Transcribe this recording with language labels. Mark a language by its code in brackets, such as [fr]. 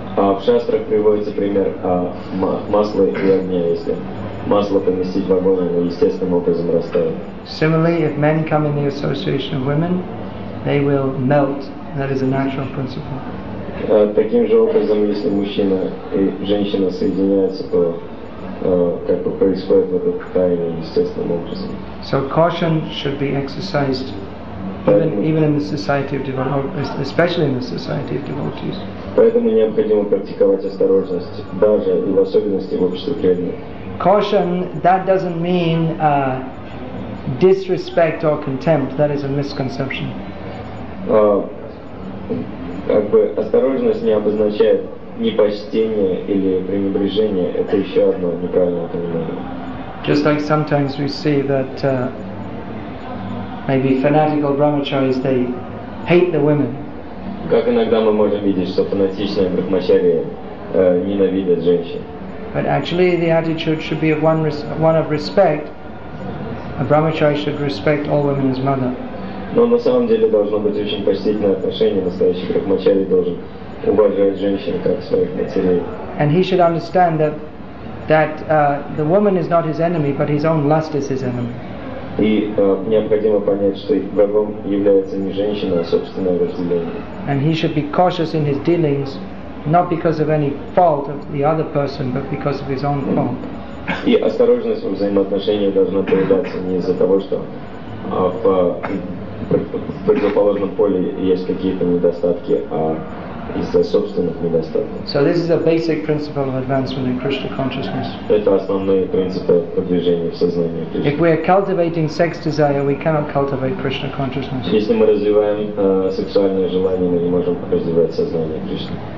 [ru] В шастрах приводится пример масла и огня. Если масло поместить в огонь, оно естественным образом растает. [en] Similarly, if men come in the association of women, they will melt. That is a natural principle. [ru] Таким же образом, если мужчина и женщина соединяются, то как бы происходит в этом тайне естественным образом. [en] So caution should be exercised even in the society of devotees, especially in the society of devotees. [ru] Поэтому необходимо практиковать осторожность, даже и в особенности в обществе преданных. [en] Caution, that doesn't mean disrespect or contempt. That is a misconception. [ru] Как бы осторожность не обозначает непочтение или пренебрежение. Это еще одно неправильное понимание. [en] Just like sometimes we see that maybe fanatical brahmacharis, they hate the women. [ru] Как иногда мы можем видеть, что фанатичные брахмачари ненавидят женщин. [en] But actually the attitude should be of one of respect. A brahmachari should respect all women as mother. [ru] Но на самом деле должно быть очень почтительное отношение. Настоящий брахмачари должен уважать женщин как своих матерей. [en] And he should understand that the woman is not his enemy, but his own lust is his enemy. [ru] И необходимо понять, что врагом является не женщина, а собственное вожделение. [en] And he should be cautious in his dealings, not because of any fault of the other person, but because of his own fault. [ru] И осторожность в взаимоотношениях должна проявляться не из-за того, что в противоположном поле есть какие-то недостатки, а из-за собственных недостатков. [en] So this is a basic principle of advancement in Krishna consciousness. [ru] Это основные принципы продвижения в сознании Кришны. [en] If we are cultivating sex desire, we cannot cultivate Krishna consciousness. [ru] Если мы развиваем сексуальное желание, мы не можем развивать сознание Кришны.